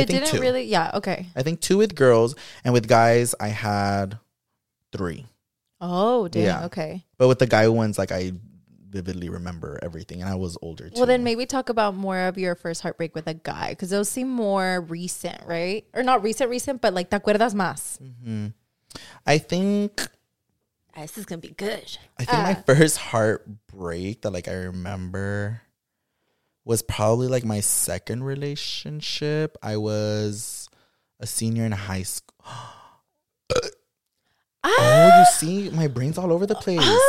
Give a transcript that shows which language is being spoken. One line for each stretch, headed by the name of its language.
English: it think didn't two. Really, yeah, okay. I think two with girls, and with guys, I had three. Oh, damn. Yeah. Okay. But with the guy ones, like, I vividly remember everything, and I was older too. Well, then maybe talk about more of your first heartbreak with a guy, because those seem more recent, right? Or not recent, but like,
Spanish: te acuerdas más.
English: Mm-hmm. I think. This is gonna be good. I think my first heartbreak that, like, I remember was probably like my second relationship. I was a senior in high school. Oh, you see, my brain's all over the place.